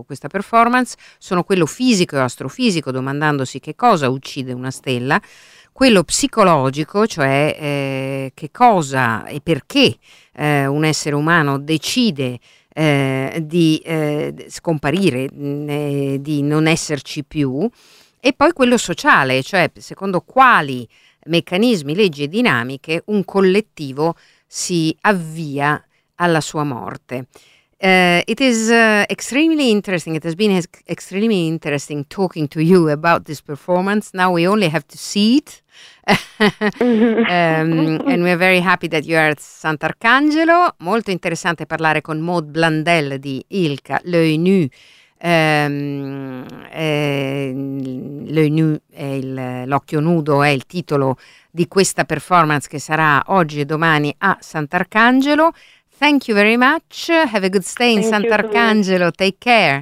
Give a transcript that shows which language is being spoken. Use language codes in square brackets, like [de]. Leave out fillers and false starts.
[it] performance, sono quello fisico e astrofisico, domandandosi che cosa uccide una stella, quello psicologico, cioè che cosa e perché un essere umano decide di scomparire, di non esserci più, e poi quello sociale, cioè secondo quali meccanismi, leggi e dinamiche un collettivo si avvia alla sua morte. [en] It is extremely interesting. It has been extremely interesting talking to you about this performance. Now we only have to see it. And we are very happy that you are at Sant'Arcangelo. [it] Molto interessante parlare con Maud Blundell di Ilka L'œil nu. L'œil nu è l'occhio nudo, è il titolo di questa performance che sarà oggi e domani a Sant'Arcangelo. [en] Thank you very much. Have a good stay in Sant'Arcangelo. Take care.